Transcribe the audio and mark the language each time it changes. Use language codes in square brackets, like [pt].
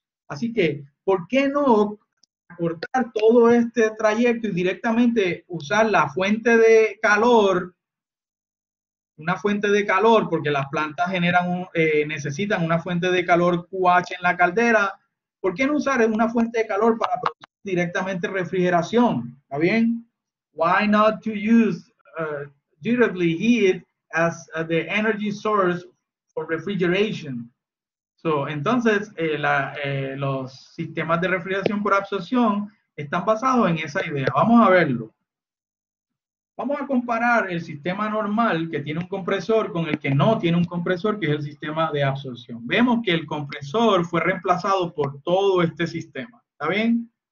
[es] Así que, ¿por qué no cortar todo este trayecto y directamente usar la fuente de calor, una fuente de calor, porque las plantas generan necesitan una fuente de calor QH en la caldera? ¿Por qué no usar una fuente de calor para producir directamente refrigeración? ¿Está bien? [en] Why not to use directly heat as the energy source for refrigeration? [es] Entonces, los sistemas de refrigeración por absorción están basados en esa idea. Vamos a verlo. Vamos a comparar el sistema normal que tiene un compresor con el que no tiene un compresor, que es el sistema de absorción. Vemos que el compresor fue reemplazado por todo este sistema. ¿Está bien?